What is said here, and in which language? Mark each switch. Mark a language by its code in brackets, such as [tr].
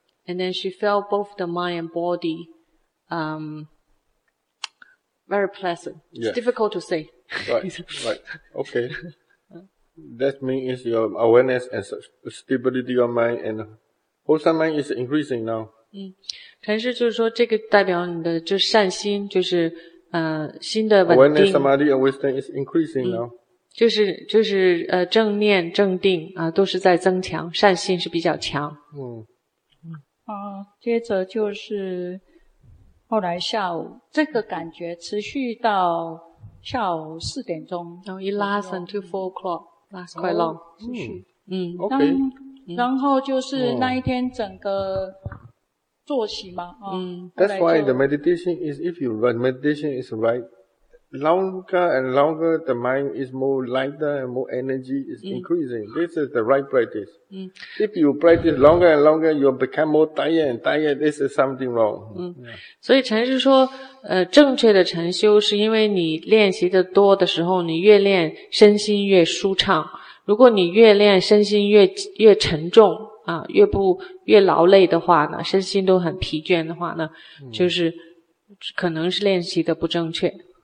[en] And then she felt both the mind and body. Very pleasant. Yes. It's difficult to say. Right. Okay. That means your awareness and stability of mind and wholesome mind is increasing now. [zh] 禅师就是说这个代表你的就是善心，就是心的稳定。 [en] Awareness, samadhi and wisdom is increasing now. [zh] 就是正念正定啊，都是在增强，善心是比较强。嗯。啊，接着就是后来下午这个感觉持续到下午四点钟。然后 [en] it lasts until 4 o'clock, lasts quite long. [zh] 持续。嗯。嗯 okay. 然后就是那一天整个作息嘛。嗯。 [en] That's why the meditation is, if you run, meditation is right. Longer and longer, the mind is more lighter and more energy is increasing. This is the right practice. If you practice longer and longer, you'll become more tired and tired. This is something wrong. [zh] 所以禅师说，正确的禅修是因为你练习的多的时候，你越练身心越舒畅。如果你越练身心越沉重啊，越劳累的话呢，身心都很疲倦的话呢，就是可能是练习的不正确。